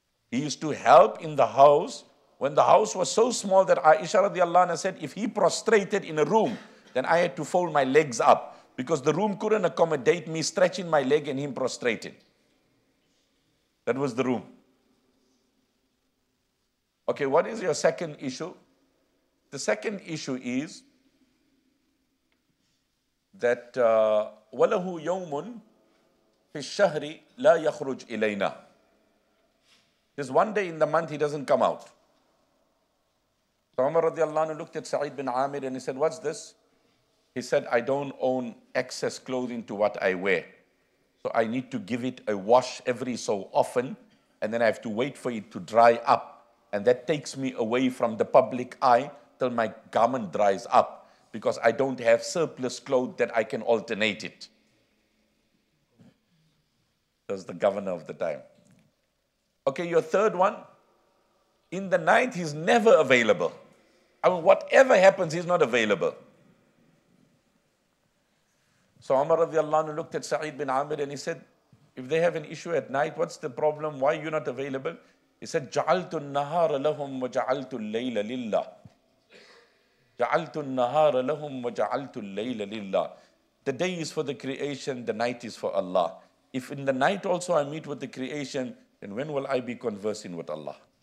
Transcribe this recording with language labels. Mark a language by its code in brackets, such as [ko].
[en] He used to help in the house when the house was so small that Aisha radiallahu anha said, if he prostrated in a room, then I had to fold my legs up because the room couldn't accommodate me stretching my leg and him prostrating. That was the room. Okay, what is your second issue? The second issue is that [ar] وَلَهُ يَوْمٌ فِي الشَّهْرِ لَا يَخْرُجْ إِلَيْنَا. [en] There's one day in the month he doesn't come out. So Umar radiallahu anhu looked at Sa'id bin Amir and he said, what's this? He said, I don't own excess clothing to what I wear. So I need to give it a wash every so often and then I have to wait for it to dry up. And that takes me away from the public eye till my garment dries up because I don't have surplus clothes that I can alternate it. That's the governor of the time. Okay, your third one. In the night, he's never available. I mean, whatever happens, he's not available. So Umar radiallahu anhu looked at Sa'id bin Amir and he said, if they have an issue at night, what's the problem? Why are you not available? He said, [ar] جَعَلْتُ النَّهَارَ لَهُمْ وَجَعَلْتُ اللَّيْلَ لِلَّهِ جَعَلْتُ النَّهَارَ لَهُمْ وَجَعَلْتُ اللَّيْلَ لِلَّهِ. [en] The day is for the creation, the night is for Allah. If in the night also I meet with the creation, then when will I be conversing with Allah?